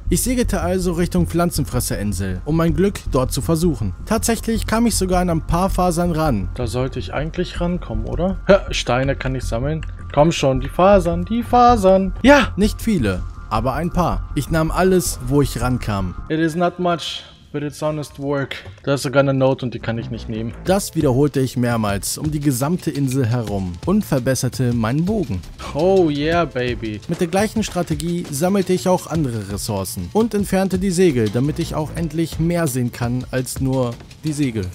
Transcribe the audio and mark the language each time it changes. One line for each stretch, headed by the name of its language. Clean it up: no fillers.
German: Ich segelte also Richtung Pflanzenfresserinsel, um mein Glück dort zu versuchen. Tatsächlich kam ich sogar an ein paar Fasern ran. Da sollte ich eigentlich rankommen, oder? Ha, Steine kann ich sammeln. Komm schon, die Fasern. Ja, nicht viele, aber ein paar. Ich nahm alles, wo ich rankam.
English: It is not much, but it's honest work.
German: Da ist sogar eine Note und die kann ich nicht nehmen. Das wiederholte ich mehrmals um die gesamte Insel herum und verbesserte meinen Bogen.
English: Oh yeah, baby.
German: Mit der gleichen Strategie sammelte ich auch andere Ressourcen und entfernte die Segel, damit ich auch endlich mehr sehen kann als nur die Segel.